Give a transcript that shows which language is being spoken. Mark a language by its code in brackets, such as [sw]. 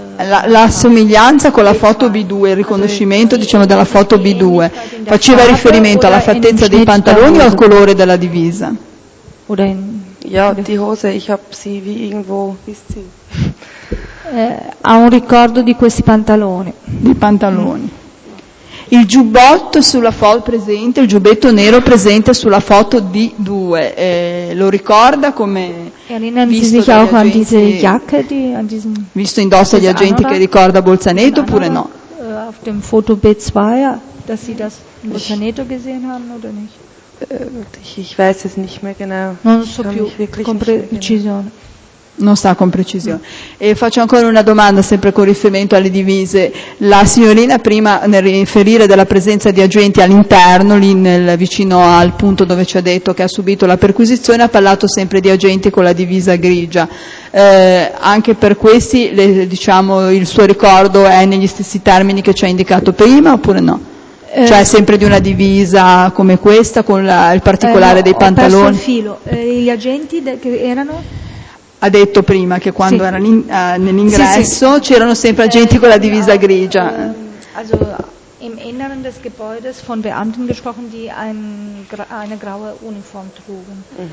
[it] la somiglianza con la foto B2, il riconoscimento diciamo della foto B2, faceva riferimento alla fattezza dei pantaloni o al colore della divisa? [de] Ja, die Hose, ich hab sie wie irgendwo, wisst sie. [it] Ha un ricordo di questi pantaloni. Di pantaloni. Il giubbotto sulla foto presente, il giubbetto nero presente sulla foto di due, lo ricorda come visto indossa gli agenti che ricorda Bolzanetto oppure no? [de] Auf dem Foto B2, dass sie das Bolzanetto gesehen haben oder nicht? Ich weiß es nicht mehr genau. [it] Non so più con precisione. Non sta con precisione. E faccio ancora una domanda, sempre con riferimento alle divise. La signorina prima, nel riferire della presenza di agenti all'interno, lì nel vicino al punto dove ci ha detto che ha subito la perquisizione, ha parlato sempre di agenti con la divisa grigia. Anche per questi, diciamo, il suo ricordo è negli stessi termini che ci ha indicato prima, oppure no? Cioè sempre di una divisa come questa, con il particolare dei pantaloni? Ho perso il filo. Gli agenti che erano... Ha detto prima che quando sì. Erano nell'ingresso sì, sì. C'erano sempre agenti con la divisa grigia. [de] Also im Inneren des Gebäudes von Beamten gesprochen, die eine graue Uniform trugen.